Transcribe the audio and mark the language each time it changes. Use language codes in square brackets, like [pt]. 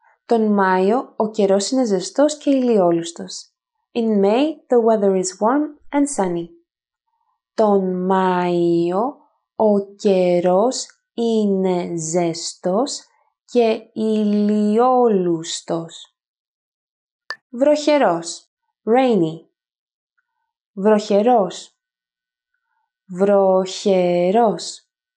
[el] Τον Μάιο ο καιρός είναι ζεστός και ηλιόλουστος. [en] In May, the weather is warm and sunny. [el] Τον Μάιο ο καιρός είναι ζεστός και ηλιόλουστος. Βροχερός. [en] Rainy. [el] Βροχερός. Βροχερός.